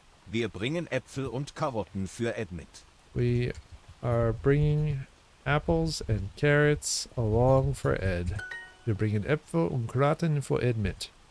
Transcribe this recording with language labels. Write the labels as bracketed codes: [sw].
[de] Wir bringen Äpfel und Karotten für Ed mit. [en] We are bringing apples and carrots along for Ed. [de] Wir bringen Äpfel und Karotten für Ed mit.